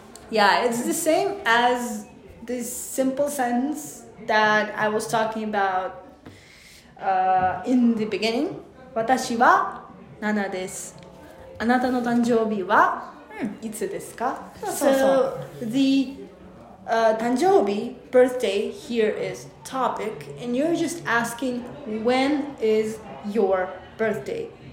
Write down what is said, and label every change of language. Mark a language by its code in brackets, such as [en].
[en] Yeah, it's the same as this simple sentence that I was talking about in the beginning. [ja] 私はナナです。あなたの誕生日はいつですか? [en] So the 誕生日, birthday here is topic, and you're just asking when is your birthday.